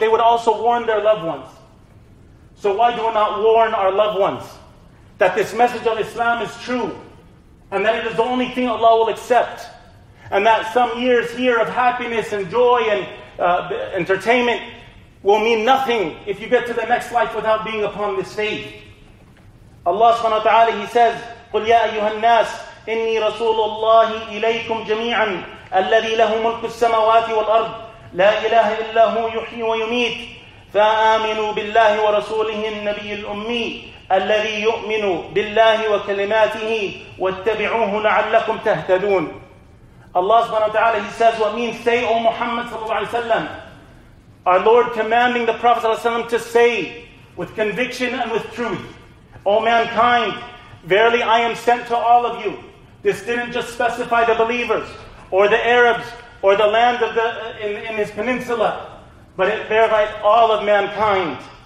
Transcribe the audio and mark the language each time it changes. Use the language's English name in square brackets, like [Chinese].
[English] They would also warn their loved ones. So why do we not warn our loved ones that this message of Islam is true, and that it is the only thing Allah will accept, and that some years here of happiness and joy and entertainment will mean nothing if you get to the next life without being upon this faith? [Arabic] Allah subhanahu wa ta'ala, [English] He says, [Arabic] قُلْ يَا أَيُّهَا النَّاسِ إِنِّي رَسُولُ اللَّهِ إِلَيْكُمْ جَمِيعًا الَّذِي لَهُ مُلْكُ السَّمَوَاتِ وَالْأَرْضِ لَا إِلَهَ إِلَّا هُوَ يُحْيِي وَيُمِيتُ فَآمِنُوا بِاللَّهِ وَرَسُولِهِ النَّبِيِّ الْأُمِّيِّ الَّذِي يُؤْمِنُ بِاللَّهِ وَكَلِمَاتِهِ وَاتَّبِعُوهُ لَعَلَّكُمْ تَهْتَدُونَ. [English] Allah subhanahu wa ta'ala, He says, what means say, O Muhammad sallallahu alayhi wa sallam, our Lord commanding the Prophet sallallahu alayhi wa sallam to say with conviction and with truth, O mankind, verily I am sent to all of you. This didn't just specify the believers or the Arabs or the land of the in his peninsula, but it verified all of mankind.